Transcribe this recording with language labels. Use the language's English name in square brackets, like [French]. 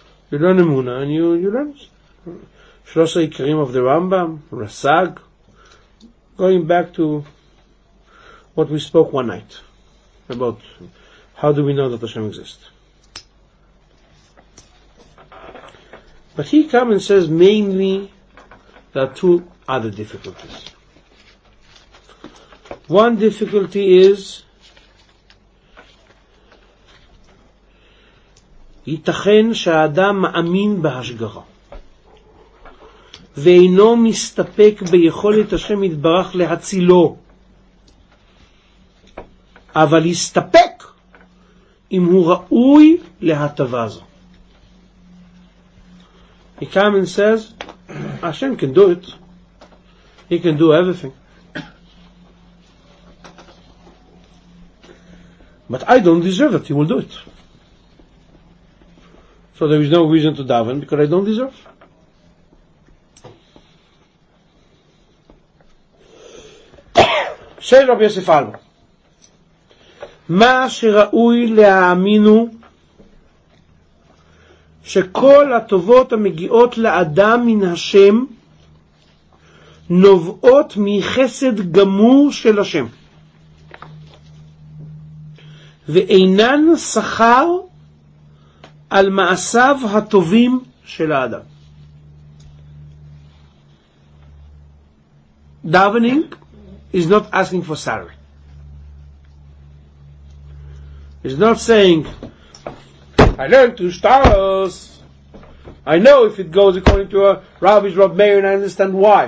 [English] You learn emunah and you learn Shlosha Ikrim of the Rambam, Rasag, going back to what we spoke one night about how do we know that Hashem exists. But he comes and says mainly there are 2 other difficulties. One difficulty is [Hebrew] ייתכן שהאדם מאמין בהשגחה ואינו מסתפק ביכולת השם יתברך להצילו, אבל יסתפק אם הוא ראוי להטבה זו. [English] He comes and says, Hashem can do it. He can do everything. But I don't deserve it. He will do it. So there is no reason to daven because I don't deserve. [Hebrew] Say Rabbi Yosef Albo, מה שראוי להאמינו שכל הטובות המגיעות לאדם מן השם נובעות מחסד גמור של השם, ואינן שכר על מעשיו הטובים של האדם. [English] Davening is not asking for salary. He's not saying, I learned two stars. I know if it goes according to a Rabbi's Rab Meir, and I understand why.